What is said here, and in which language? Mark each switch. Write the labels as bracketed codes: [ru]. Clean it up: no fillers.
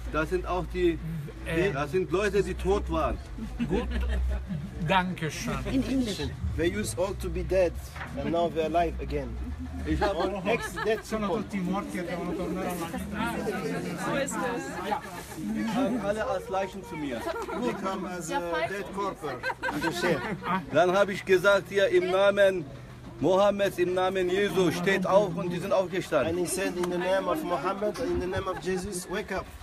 [de] Das sind auch die, das sind Leute, die tot waren. Gut. Dankeschön. In Englisch. [en] They used all to be dead, and now they're alive again. [de] Ich habe auch noch ex-dead [it] sono tutti morti, devono tornare alla vita. [de] So ist es. Alle als Leichen zu mir. Die kamen als [en] dead corpus. [de] Dann habe ich gesagt, hier im Namen Mohammeds, im Namen Jesu, steht auf und die sind aufgestanden. [en] And he said, in the name of Mohammed, in the name of Jesus, wake up.